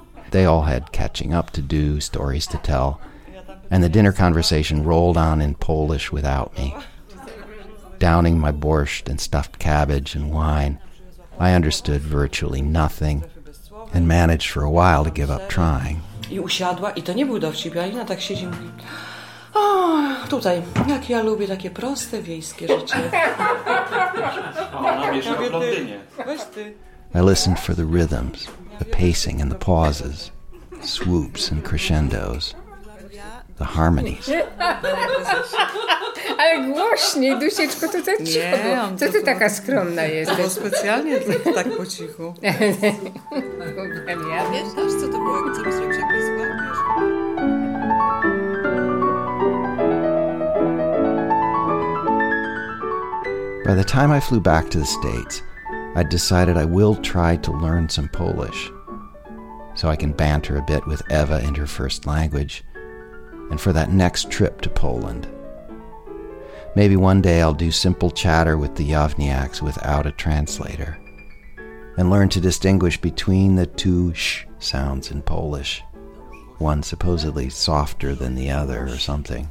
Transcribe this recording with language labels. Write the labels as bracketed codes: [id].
[en] They all had catching up to do, stories to tell, and the dinner conversation rolled on in Polish without me. Downing my borscht and stuffed cabbage and wine, I understood virtually nothing and managed for a while to give up trying. [pl] I usiadła i to nie był dowcip, Alina tak siedzi mówi, oh, tutaj, jak ja lubię takie proste wiejskie życie. [en] I listened for the rhythms, the pacing and the pauses, swoops and crescendos. The harmonies. [pl] Ale głośniej, Dusieczko, to za cicho. Nie, co ty to, taka skromna jesteś? To specjalnie tak po cichu. Ja wiesz, co to było, jak coś jakby złapiesz? [en] By the time I flew back to the States, I decided I will try to learn some Polish so I can banter a bit with Eva in her first language, and for that next trip to Poland. Maybe one day I'll do simple chatter with the Jawniaks without a translator and learn to distinguish between the two sh sounds in Polish, one supposedly softer than the other or something.